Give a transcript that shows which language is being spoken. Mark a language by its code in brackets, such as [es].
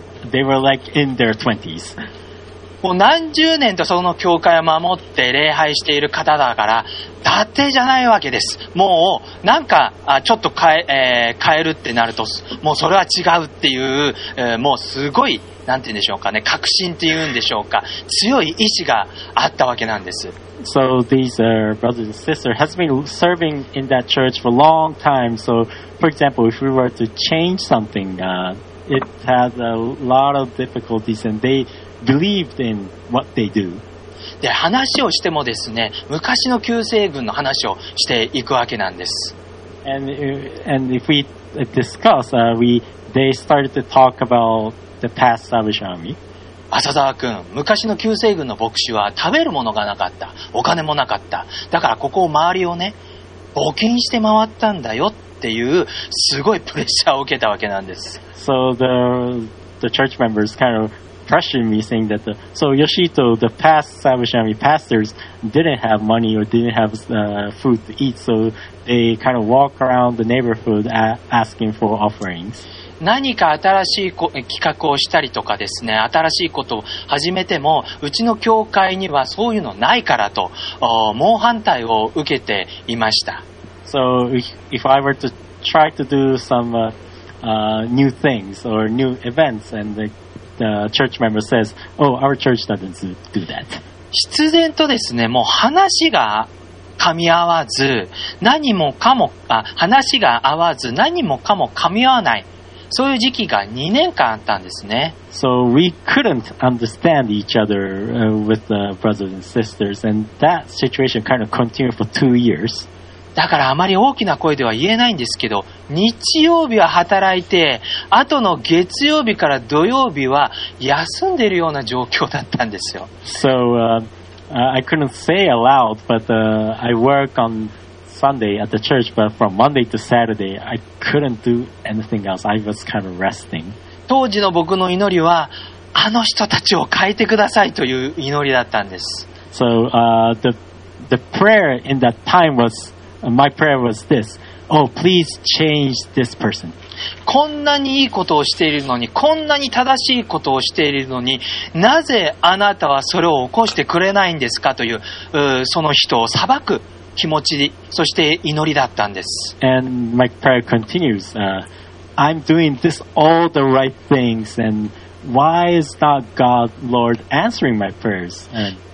[en] They were like in their 20s. [ja] もう何十年とその教会を守って礼拝している方だから、伊達じゃないわけです。もう、なんか、ちょっと変えるってなると、もうそれは違うっていう、もうすごい、なんて言うんでしょうかね、確信っていうんでしょうか、強い意志があったわけなんです。 [en] So these, brothers and sisters has been serving in that church for a long time. So, for example, if we were to change something, it has a lot of difficulties and they,believed in what they do. [ja] で話をしてもですね、昔の救世軍の話をしていくわけなんです。 [en] And if we discuss, they started to talk about the past Salvation Army. [ja] 浅澤君、昔の救世軍の牧師は食べるものがなかった、お金もなかった。だからここを周りをね、募金して回ったんだよっていうすごいプレッシャーを受けたわけなんです。 [en] So the church members kind of pressuring me saying that so Yoshito the past Salvation Army pastors didn't have money or didn't have food to eat so they kind of walk around the neighborhood asking for offerings [ja] 何か新しい企画をしたりとかですね新しいことを始めてもうちの教会にはそういうのないからと猛反対を受けていました [en] so if I were to try to do some new things or new events and theThe church member says, "Oh, our church doesn't do that." [ja] 必然とですね、もう話が噛み合わず、何もかも話が合わず、何もかも噛み合わない、そういう時期が2年間あったんですね。 [en] So we couldn't understand each other with the brothers and sisters, and that situation kind of continued for 2 years. [ja] だからあまり大きな声では言えないんですけど日曜日は働いて後の月曜日から土曜日は休んでいるような状況だったんですよ [en] So, I couldn't say aloud but, I work on Sunday at the church but from Monday to Saturday I couldn't do anything else I was kind of resting [ja] 当時の僕の祈りはあの人たちを変えてくださいという祈りだったんです [en] So, the prayer in that time wasMy prayer was this. Oh, please change this person. [ja] こんなにいいことをしているのに、こんなに正しいことをしているのに、なぜあなたはそれを起こしてくれないんですかという、その人を裁く気持ち、そして祈りだったんです。 [en] And my prayer continues. I'm doing this all the right things, and why is not God, Lord, answering my prayers? And